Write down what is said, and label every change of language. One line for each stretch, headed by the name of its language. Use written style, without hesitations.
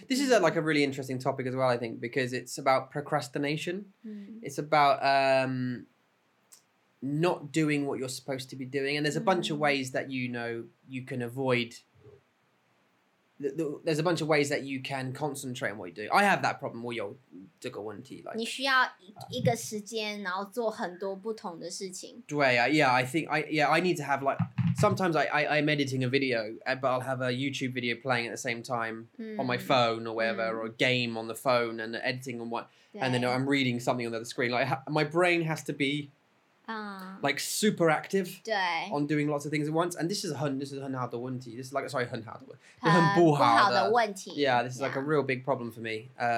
English: This is like a really interesting topic as well, I think, because it's about procrastination. It's about not doing what you're supposed to be doing. And there's a bunch of ways that, you know, you can avoid... there's a bunch of ways that you can concentrate on what you do. I have that problem.
Chinese: 我有这个问题,
English: like,
Chinese: 你需要一个时间然后做很多不同的事情。
English: I need to have, like, sometimes I'm editing a video, but I'll have a YouTube video playing at the same time on my phone or whatever, or a game on the phone and editing on what, and then I'm reading something on the other screen. Like, my brain has to be like super active on doing lots of things at once, and this is like a real big problem for me.